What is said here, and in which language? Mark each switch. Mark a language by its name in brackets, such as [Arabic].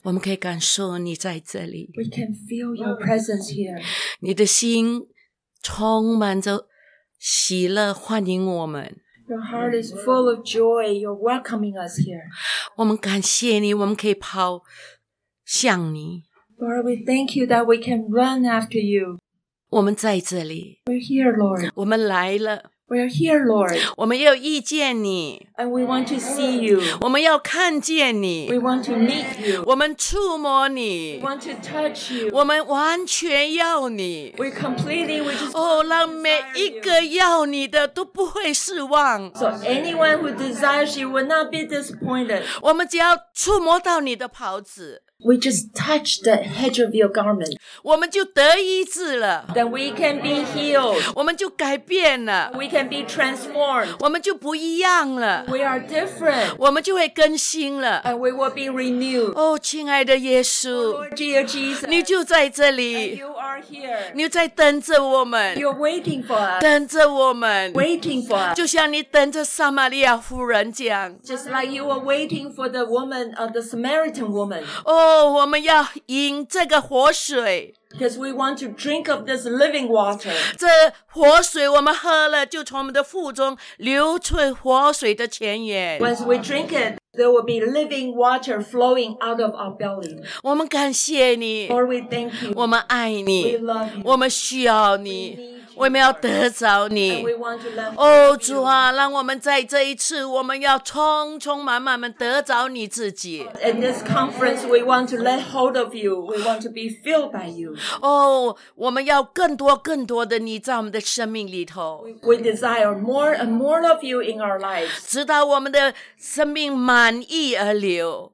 [Chinese] 我们可以感受你在这里。 [English] We can feel your presence here. [Chinese] 你的心充满着喜乐欢迎我们。 [English] Your heart is full of joy. You're welcoming us here. [Chinese] 我们感谢你，我们可以跑向你。 [English] Lord, we thank you that we can run after you. [Chinese] 我们在这里。 [English] We're here, Lord. [Chinese] 我们来了。 [English] We're here, Lord. [Chinese] 我们要遇见你。 [English] And we want to see you. [Chinese] 我们要看见你。 [English] We want to meet you. [Chinese] 我们触摸你。 [English] We want to touch you. [Chinese] 我们完全要你。 [English] We completely, we just. [Chinese] 让每一个要你的都不会失望。 [English] So anyone who desires you will not be disappointed. [Chinese] 我们只要触摸到你的袍子。 [English] We just touch the hedge of your garment. [Chinese] 我们就得医治了。 [English] Then we can be healed. [Chinese] 我们就改变了。 [English] We can be transformed. [Chinese] 我们就不一样了。 [English] We are different. [Chinese] 我们就会更新了。 [English] And we will be renewed. [Chinese] 亲爱的耶稣。 [English] Lord, dear Jesus. [Chinese] 你就在这里。 [English] And you are here. [Chinese] 你在等着我们。 [English] You're waiting for us. [Chinese] 等着我们。 [English] Waiting for us. [Chinese] 就像你等着撒玛利亚妇人这样。 [English] Just like you were waiting for the woman of the Samaritan woman. [Chinese] 我们要饮这个活水。 [English] Because we want to drink of this living water. [Chinese] 这活水我们喝了，就从我们的腹中流出活水的泉源。 [English] Once we drink it, there will be living water flowing out of our belly. [Chinese] 我们感谢你。 [English] Lord, we thank you. [Chinese] 我们爱你。 [English] We love you. [Chinese] 我们需要你。我们要得着你。主啊，让我们在这一次，我们要充充满满的得着你自己。 [English] In this conference, we want to let hold of you. We want to be filled by you. [Chinese] 我们要更多更多的你在我们的生命里头。 [English] We desire more and more of you in our lives. [Chinese] 直到我们的生命满溢而流。